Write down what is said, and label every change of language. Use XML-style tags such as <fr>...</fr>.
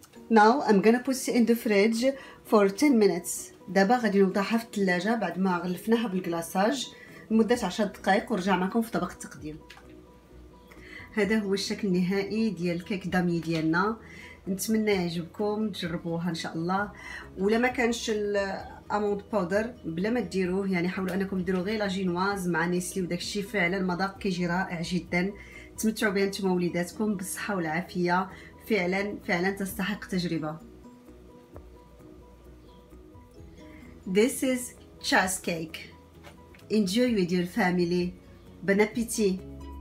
<en>Now I'm gonna put it in the fridge for 10 minutes.</en> <ar>دابا غادي نوضعها في الثلاجة بعد ما غلفناها بالكلاصاج لمدة 10 دقائق ورجع معكم في طبق التقديم. هذا هو الشكل النهائي ديال الكيك دامي ديالنا. نتمنى يعجبكم تجربوها ان شاء الله. ولا ما كانش الاموند بودر بلا ما ديروه، يعني حاولوا انكم ديروا غير لا جينواز مع نيسلي وداك الشيء، فعلا المذاق كيجي رائع جدا. تمتعوا بها نتوما وليداتكم بالصحة والعافية، فعلا فعلا تستحق تجربة.</ar> <en>This is cheesecake. Enjoy with your family. Bon appétit.</en>